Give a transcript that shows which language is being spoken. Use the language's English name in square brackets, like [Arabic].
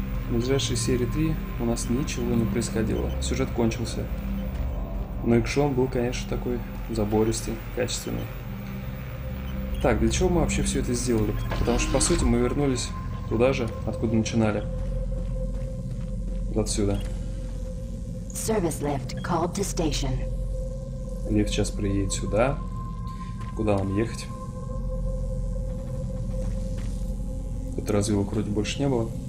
[Russian] В ближайшей серии 3 у нас ничего не происходило. Сюжет кончился. Но экшон был, конечно, такой забористый, качественный. Так, для чего мы вообще все это сделали? Потому что, по сути, мы вернулись туда же, откуда начинали. Вот отсюда. [English] Service lift called to station. [Russian] Лифт сейчас приедет сюда. Куда нам ехать? Тут разве его вроде больше не было?